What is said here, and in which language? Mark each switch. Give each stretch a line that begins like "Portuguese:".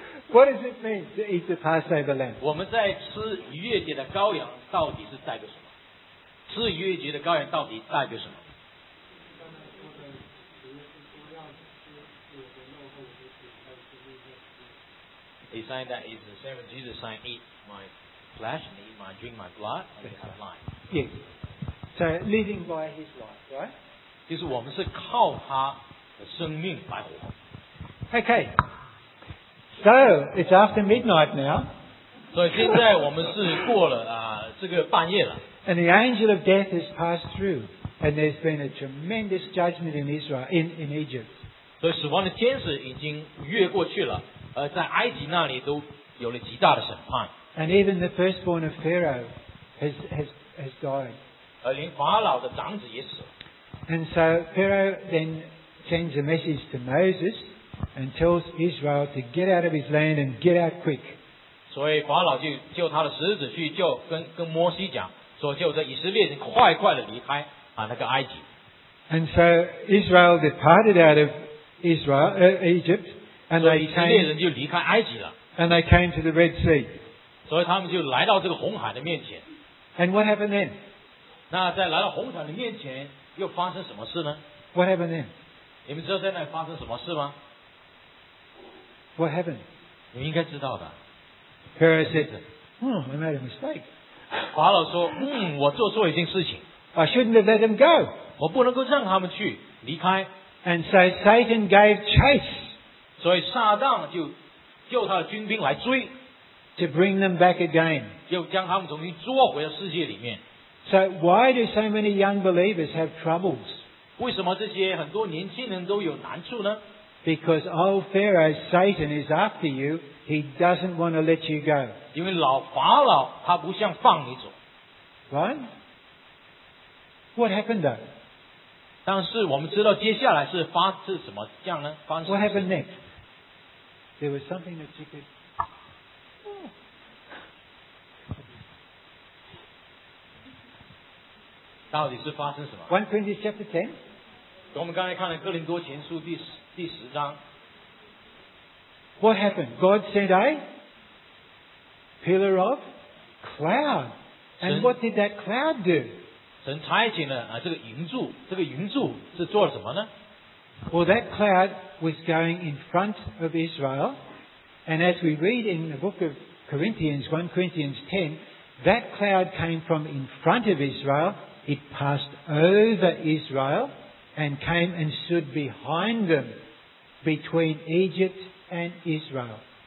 English: What does it mean to eat the Passover lamb?
Chinese: 我们在吃逾越节的羔羊到底是代表什么？吃逾越节的羔羊到底代表什么？
English: He said that is the same as Jesus saying, eat my flesh and eat my drink my blood and you have life. Yes. So living by his life, right?
Chinese: 就是我们是靠他的生命来活。
English: Okay. So, it's after midnight now.
Chinese: So, 现在我们是过了这个半夜了。
English: And the angel of death has passed through. And there's been a tremendous judgment in Israel, in Egypt.
Chinese: 所以死亡的天使已经越过去了，而在埃及那里都有了极大的审判。
English: And even the firstborn of Pharaoh has died.
Chinese: 而连法老的长子也死了。
English: And so, Pharaoh then sends a message to Moses. And tells Israel to get out of his land and get out quick.
Chinese: 所以法老就叫他的使者去叫跟摩西讲，说叫这以色列人快快的离开啊那个埃及。
English: And so Israel departed out of Israel, Egypt, and they came.
Chinese: 以色列人就离开埃及了。
English: And they came to the Red Sea.
Chinese: 所以他们就来到这个红海的面前。
English: And what happened then?
Chinese: 那在来到红海的面前又发生什么事呢
English: ？What happened then?
Chinese: 你们知道在那里发生什么事吗？
English: What happened?
Chinese: 你应该知道的。
English: Pharaoh said, "Oh, I made a mistake."
Chinese: 法老说，我做错一件事情。
English: I shouldn't have let them go.
Chinese: 我不能够让他们去离开。
English: And so Satan gave chase.
Chinese: 所以撒旦就叫他的军兵来追。
English: To bring them back again.
Chinese: 又将他们重新捉回了世界里面。
English: So why do so many young believers have troubles?
Chinese: 为什么这些很多年轻人都有难处呢？
English: Because old Pharaoh Satan is after you, he doesn't want to let you go.
Chinese: 因为老法老他不想放你走。
English: Right? What happened though?
Chinese: 但是我们知道接下来是发是什么这样呢？发生
English: What happened next? There was something that you could.
Chinese: Oh. 到底是发生什么
English: ？1 Corinthians chapter 10.
Chinese: 我们刚才看了哥林多前书第十。
English: What happened? God sent a pillar of cloud. And what did that cloud do?
Chinese: 神差遣了这个云柱，这个云柱是做了什么呢？
English: Well, that cloud was going in front of Israel And as we read in the book of Corinthians, 1 Corinthians 10, that cloud came from in front of Israel, it passed over Israel and came and stood behind them between Egypt and Israel.